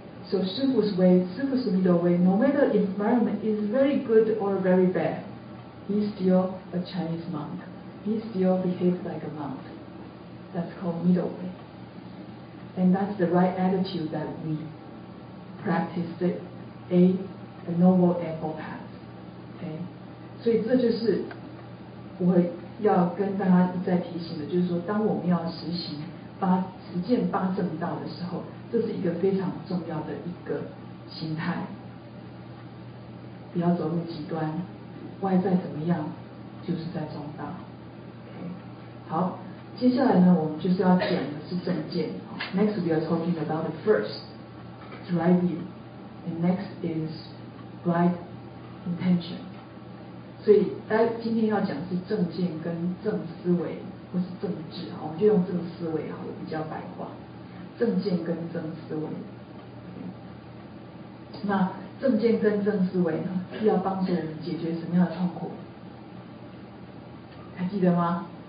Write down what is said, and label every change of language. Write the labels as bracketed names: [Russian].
[English] So Shifu's way, Shifu's middle way, no matter the environment is very good or very bad, he's still a Chinese monk. He still behaves like a monk. That's called middle way. And that's the right attitude that we practice, a noble and all path. Okay? [Chinese] 所以这就是我要跟大家一再提醒的，就是说当我们要实行实践八正道的时候，这是一个非常重要的一个心态，不要走入极端，外在怎么样就是在中道。 OK， 好，接下来呢我们就是要讲的是正见。 [English] Next we are talking about the first drive you and next is right intention。 [Chinese] 所以大家今天要讲的是正见跟正思维或是正智，我们就用正思维好了，比较白话，正见跟正思维。那正见跟正思维呢是要帮助我们解决什么样的痛苦，还记得吗？